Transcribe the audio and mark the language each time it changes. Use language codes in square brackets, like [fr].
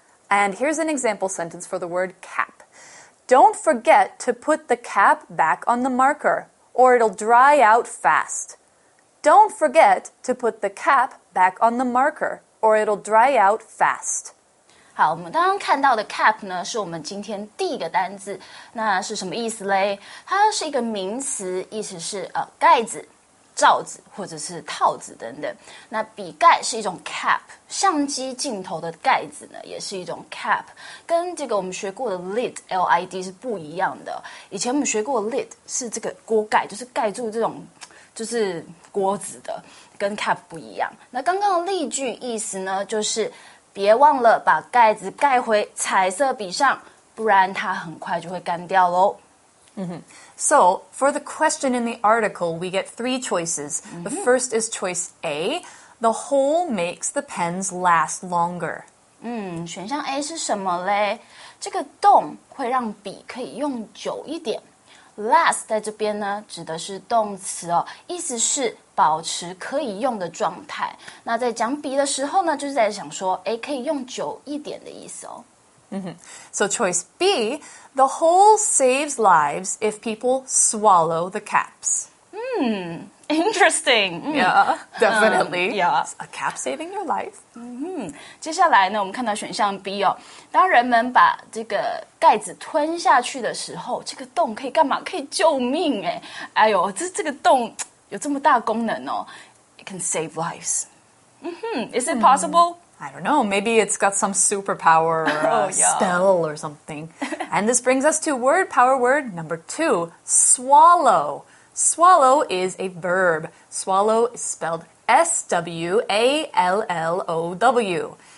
[en] And here's an example sentence for the word cap. Don't forget to put the cap back on the marker, or it'll dry out fast. Don't forget to put the cap back on the marker, or it'll dry out fast. [zh] 好，我们刚刚看到的 cap 呢，是我们今天第一个单字，那是什么意思嘞？它是一个名词，意思是盖子、罩子或者是套子等等。那笔盖是一种 cap， 相机镜头的盖子呢，也是一种 cap， 跟这个我们学过的 lid L-I-D 是不一样的。以前我们学过 lid 是这个锅盖，就是盖住这种就是锅子的，跟 cap 不一样。那刚刚的例句意思呢，就是别忘了把盖子盖回彩色笔上，不然它很快就会干掉咯。 [en] So, for the question in the article, we get three choices. The first is choice A, the hole makes the pens last longer. [zh] 选项 A 是什么嘞？这个洞会让笔可以用久一点。 Last 在这边呢，指的是动词哦，意思是保持可以用的状态。那在讲笔的时候呢，就是在想说，哎，可以用久一点的意思哦。 [en] So choice B, the hole saves lives if people swallow the caps. Interesting. Yeah, definitely. Yeah. A cap saving your life. [zh] 接下来呢，我们看到选项 B 哦，当人们把这个盖子吞下去的时候，这个洞可以干嘛？可以救命哎！哎呦，这个洞有这么大功能哦。 [en] It can save lives. Is it possible? I don't know. Maybe it's got some superpower or spell or something. And this brings us to word power word number two, swallow. Swallow is a verb. Swallow is spelled S-W-A-L-L-O-W.